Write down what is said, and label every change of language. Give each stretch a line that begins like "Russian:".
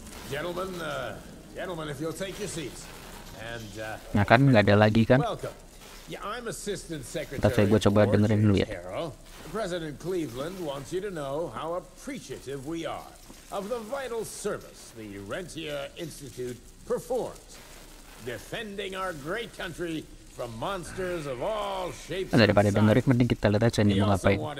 English: Gentlemen, if you'll take your seats. And
Indonesian: nah kan enggak ada lagi kan? Entah saya gua coba dengerin dulu ya.
English: President Cleveland wants you to know how appreciative we are of the vital service the Urentia Institute performs, defending our great country from monsters of all shapes.
Indonesian: Nah, daripada dengerin mending kita lihat aja ini mau ngapain.